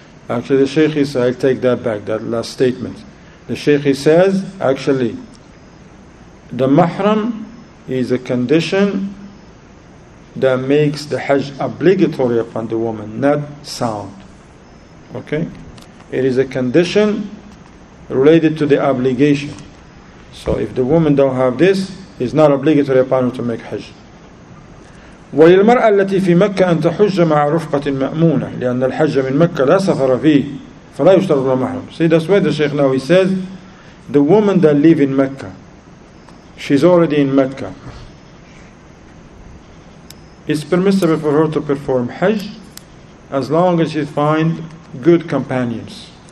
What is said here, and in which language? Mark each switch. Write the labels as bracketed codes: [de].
[en] Actually, the Sheikh, he said, I'll take that back, that last statement. The Sheikh, he says, actually, the mahram is a condition that makes the Hajj obligatory upon the woman, not sound. Okay? It is a condition related to the obligation. So if the woman don't have this, it's not obligatory upon her to make Hajj. [ar] وللمرأة التي في مكة أن تحج مع رفقة مأمونة لأن الحج من مكة لا سفر فيه فلا يشترط لها محرم. [en] See, that's why the Sheikh now he says, the woman that live in Mecca, she's already in Mecca, it's permissible for her to perform Hajj as long as she find good companions.